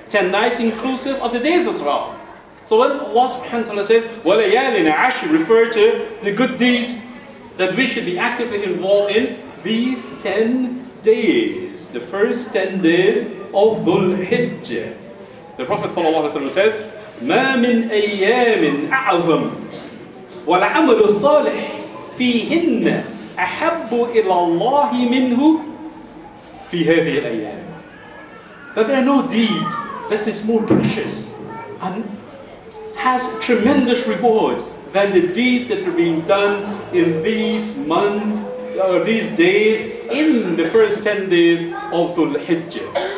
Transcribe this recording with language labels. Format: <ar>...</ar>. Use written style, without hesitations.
<en>10 nights inclusive of the days as well. So when Allah subhanahu wa ta'ala says, walayalin ash, refer to the good deeds that we should be actively involved in these 10 days, the first 10 days of Dhul-Hijjah. The Prophet says,</en> <ar>مَا مِنْ أَيَّامٍ أَعْظَمْ وَالْعَمَلُ الصَّالِحِ فِيهِنَّ أَحَبُّ إِلَى اللَّهِ مِنْهُ فِي هَذِهِ الْأَيَّامِ.</ar> <en>That there are no deed that is more precious and has tremendous reward than the deeds that are being done in these months, or these days, in the first 10 days of Dhul-Hijjah.</en>